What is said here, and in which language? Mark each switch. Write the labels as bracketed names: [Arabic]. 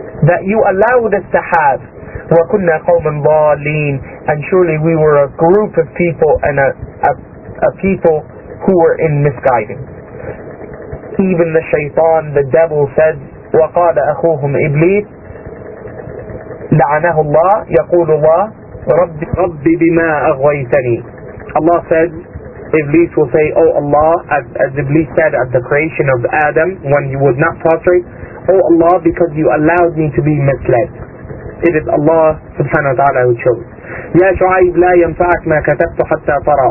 [English] That you allowed us to have [Arabic] وَكُنَّا قَوْمًا ضَالِينَ [English] And surely we were a group of people and a people who were in misguidance. Even the shaytan, the devil, said, [Arabic] وَقَالَ أَخُوهُمْ إِبْلِيسِ لعنه الله يقول الله ربي ربي بما أغويتني. [English] Allah said, Iblis will say, Oh Allah, as Iblis said at the creation of Adam when he would not prostrate, Oh Allah, because you allowed me to be misled. It is Allah subhanahu wa ta'ala who chose. [Arabic] Ya Shu'aib, la yanfa'ak ma katabta hatta tara.